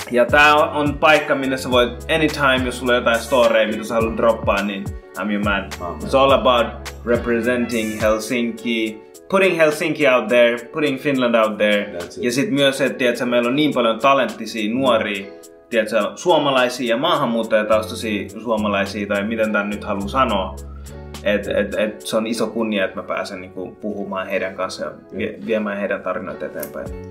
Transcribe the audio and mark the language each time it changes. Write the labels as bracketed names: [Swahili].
[Finnish] Ja tää on paikka, minne sä voit anytime, jos sulla on jotain storya, mitä sä haluat droppaa, niin [English] I'm your man. Amen. It's all about representing Helsinki, putting Helsinki out there, putting Finland out there. [Finnish] Ja sit myös se, että tiiätkö, meillä on niin paljon talenttisia nuoria, tiiätkö, suomalaisia ja maahanmuuttajataustaisia suomalaisia, tai miten tän nyt haluu sanoa. Et se on iso kunnia, että mä pääsen niinku puhumaan heidän kanssa ja viemään heidän tarinoita eteenpäin.